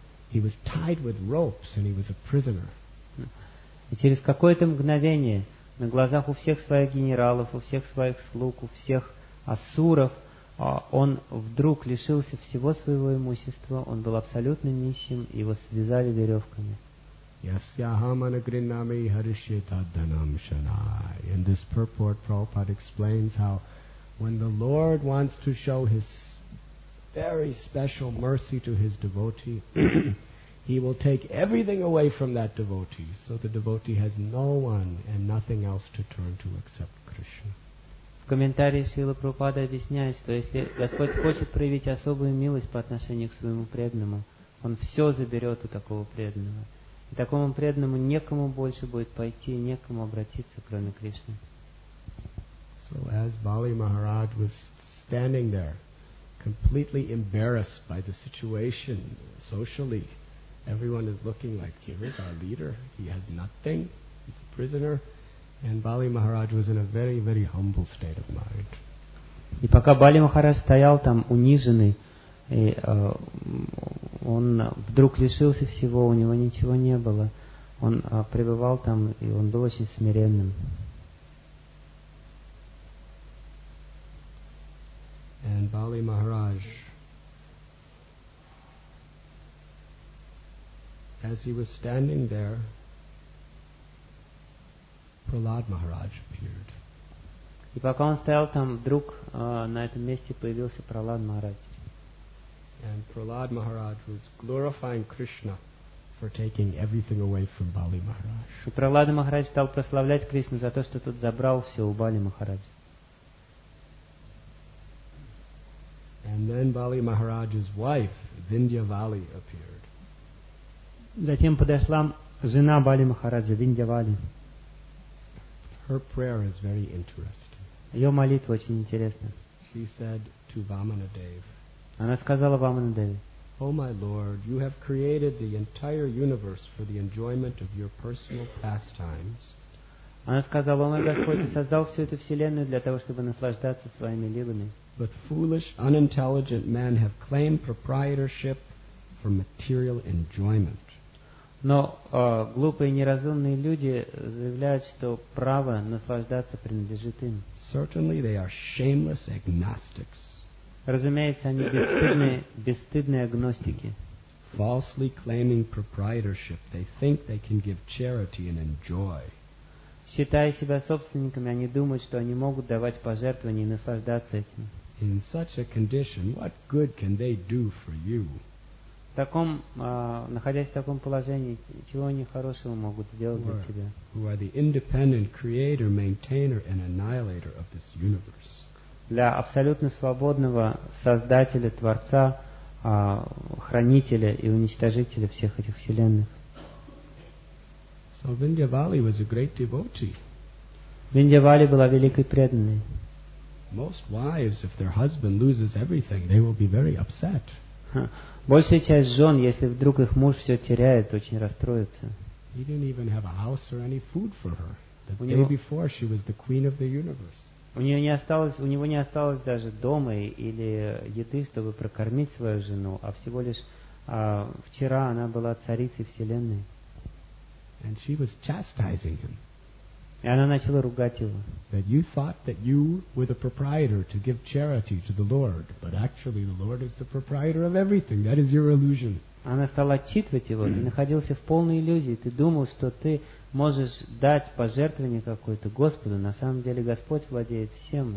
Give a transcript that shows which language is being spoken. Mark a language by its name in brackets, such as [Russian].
[English] He was tied with ropes, and he was a prisoner. [Russian] И через какое-то мгновение на глазах у всех своих генералов, у всех своих слуг, у всех асуров он вдруг лишился всего своего имущества, он был абсолютно нищим, и его связали веревками. [English] In this purport, Prabhupada explains how when the Lord wants to show his very special mercy to his devotee, he will take everything away from that devotee, so the devotee has no one and nothing else to turn to except Krishna. [Russian] В комментарии Шрилы Прабхупады объясняет, что если Господь хочет проявить особую милость по отношению к своему преданному, Он все заберет у такого преданного. И такому преданному некому больше будет пойти, некому обратиться, кроме Кришны. [English] So as Bali Maharaj was standing there, completely embarrassed by the situation socially, Everyone is looking like, here is our leader. He has nothing. He's a prisoner. And Bali Maharaj was in a very, very humble state of mind. [Russian] И пока Бали Махарадж стоял там униженный, и, он вдруг лишился всего, у него ничего не было. Он пребывал там, и он был очень смиренным. [English] And Bali Maharaj, as he was standing there, Prahlad Maharaj appeared. [Russian] И пока он стоял там, вдруг на этом месте появился Прахлад Махарадж. [English] And Prahlad Maharaj was glorifying Krishna for taking everything away from Bali Maharaj. [Russian] И Прахлад Махарадж стал прославлять Кришну за то, что тот забрал все у Бали Махараджа. [English] And then Bali Maharaj's wife, Vindhyavali, appeared. [Russian] Затем подошла жена Бали Махараджа, Виндьявали. [English] Her prayer is very interesting. [Russian] Ее молитва очень интересна. [English] She said to Vamanadev, [Russian] она сказала Ваманадеве: "О, мой [English] Lord, You have created the entire universe for the enjoyment of Your personal pastimes." [Russian] Она сказала: "О, мой Господь, Ты создал всю эту вселенную для того, чтобы наслаждаться своими лилами." [English] But foolish, unintelligent men have claimed proprietorship for material enjoyment. [Russian] Но глупые, неразумные люди заявляют, что право наслаждаться принадлежит им. [English] Certainly they are shameless agnostics. [Russian] Разумеется, они бесстыдные, бесстыдные агностики. [English] Falsely claiming proprietorship, they think they can give charity and enjoy. [Russian] Считая себя собственниками, они думают, что они могут давать пожертвования и наслаждаться этим. [English] In such a condition, what good can they do for you? [Russian] В таком, находясь в таком положении, чего они хорошего могут сделать для тебя? [English] Who are the independent creator, maintainer, and annihilator of this universe? [Russian] Для абсолютно свободного создателя, творца, хранителя и уничтожителя всех этих вселенных. [English] So Vindhyavali was a great devotee. [Russian] Vindhyavali была великой преданной. [English] Most wives, if their husband loses everything, they will be very upset. [Russian] Большая часть жен, если вдруг их муж все теряет, очень расстроится. [English] He didn't even have a house or any food for her. The day before she was the queen of the universe. [Russian] У него не осталось даже дома или еды, чтобы прокормить свою жену, а всего лишь вчера она была царицей вселенной. [English] And she was chastising him. [Russian] И она начала ругать его. [English] That you thought that you were the proprietor to give charity to the Lord, but actually the Lord is the proprietor of everything. That is your illusion. [Russian] Она стала отчитывать его. Ты находился в полной иллюзии. Ты думал, что ты можешь дать пожертвование какое-то Господу. На самом деле Господь владеет всем.